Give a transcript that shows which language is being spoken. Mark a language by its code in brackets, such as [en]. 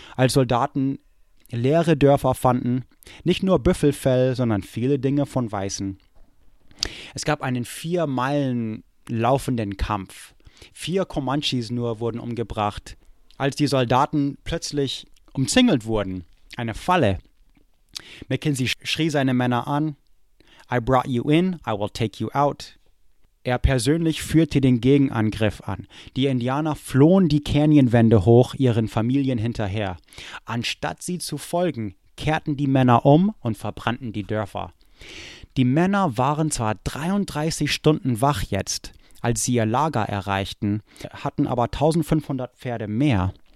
[de] Als Soldaten leere Dörfer fanden, nicht nur Büffelfell, sondern viele Dinge von Weißen. Es gab einen 4 Meilen laufenden Kampf. 4 Comanches nur wurden umgebracht, als die Soldaten plötzlich umzingelt wurden. Eine Falle. Mackenzie schrie seine Männer an. [en] I brought you in, I will take you out. [de] Er persönlich führte den Gegenangriff an. Die Indianer flohen die Canyonwände hoch, ihren Familien hinterher. Anstatt sie zu folgen, kehrten die Männer um und verbrannten die Dörfer. Die Männer waren zwar 33 Stunden wach jetzt, als sie ihr Lager erreichten, hatten aber 1500 Pferde mehr.